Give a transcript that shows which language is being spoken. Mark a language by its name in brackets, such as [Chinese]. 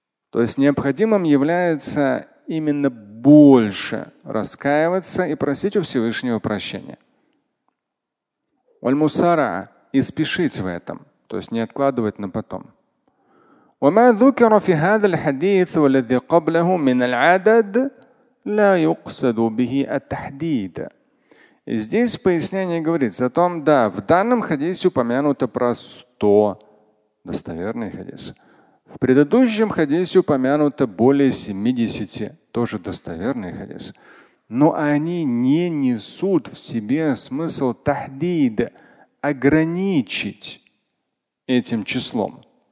[Russian] То есть необходимым является именно больше раскаиваться и просить у Всевышнего прощения. И спешить в этом, то есть не откладывать на потом. [Arabic] وما ذكر في هذا الحديث والذي قبله من العدد لا يقصد به التحديد. [Russian] Здесь пояснение говорится о том, да, в данном хадисе упомянуто про 100 достоверный хадис. В предыдущем хадисе упомянуто более 70 тоже достоверный хадис. Но они не несут в себе смысл тахдид ограничить этим числом.